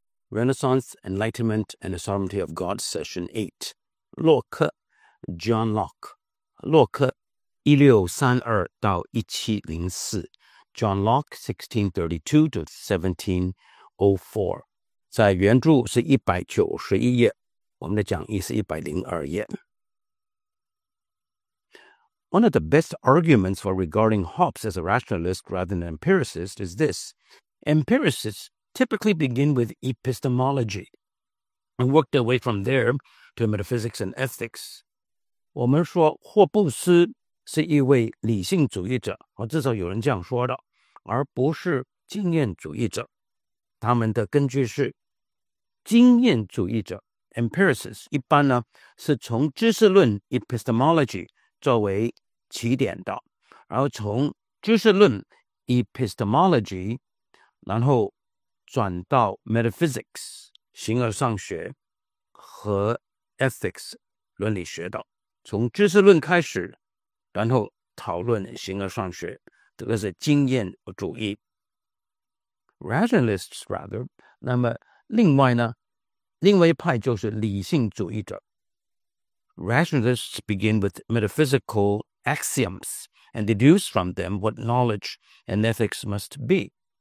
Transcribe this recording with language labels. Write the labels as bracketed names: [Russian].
[English] Renaissance, Enlightenment and the Sovereignty of God, Session 8 洛克 John Locke [Chinese] 洛克 1632-1704 [English] John Locke 1632-1704 [Chinese] 在原著是191页我们的讲义是102页 [English] One of the best arguments for regarding Hobbes as a rationalist rather than an empiricist is this. Empiricists typically begin with epistemology and work their way from there to metaphysics and ethics. [Chinese] 我们说霍布斯是一位理性主义者，至少有人这样说的，而不是经验主义者。他们的根据是经验主义者 empiricists 一般呢是从知识论 epistemology作为起点的，然后从知识论 epistemology， 然后转到 metaphysics 形而上学和 ethics 伦理学的，从知识论开始，然后讨论形而上学，这个是经验主义 [English] rationalists rather。 [Chinese] 那么另外呢，另外一派就是理性主义者。 [English] Rationalists begin with metaphysical axioms and deduce from them what knowledge and ethics must be.